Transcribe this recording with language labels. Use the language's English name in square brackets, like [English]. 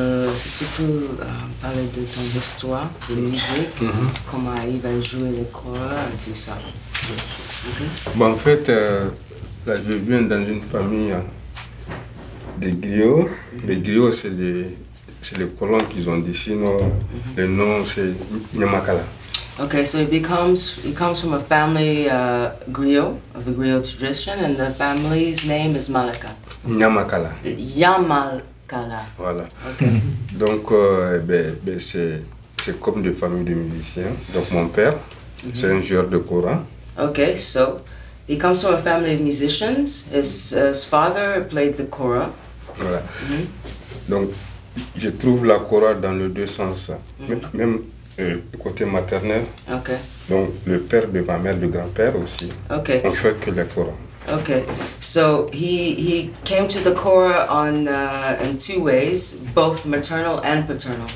[French] Si tu peux parler de ton histoire de musique, comment arrive à jouer les cordes et tout ça. Bon, en fait, là, je viens dans une famille des griots. Les griots, c'est les colons qu'ils ont d'ici. Le nom, c'est Nyamakala. [English] Okay, so it comes from a family griot, of the griot tradition, and the family's name is Malaka. [French] Nyamakala. Yamakala. Voilà. [English] Okay. [French] Donc, c'est comme des familles de musiciens. Donc, mon père, c'est un joueur de kora. [English] Okay, so he comes from a family of musicians. His father played the kora. [French] Voilà. Donc, je trouve la kora dans les deux sens. Même le côté maternel. [English] Okay. [French] Donc, le père de ma mère, le grand-père aussi. [English] Okay. [French] On fait que la kora. [English] Okay, so he came to the kora in two ways, both maternal and paternal.